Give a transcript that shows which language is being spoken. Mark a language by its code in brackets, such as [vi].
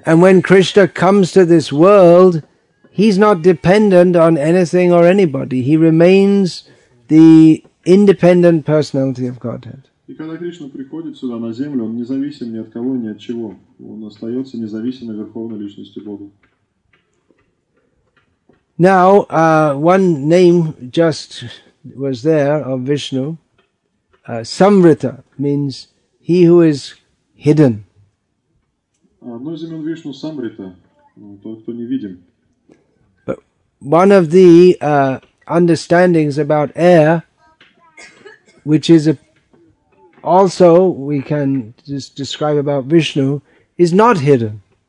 [en] And when Krishna comes to this world, he's not dependent on anything or anybody. He remains the independent personality of Godhead. [ru] И когда Кришна приходит сюда на землю, он независим ни от кого, ни от чего. Он остается независимой верховной личностью Бога. [en] Now, one name just was there of Vishnu. Samrita means he who is hidden. [ru] Одно из имен Вишну Самрита, тот, кто невидим. [en] But one of the understandings about air, which is also we can just describe about Vishnu, is not hidden.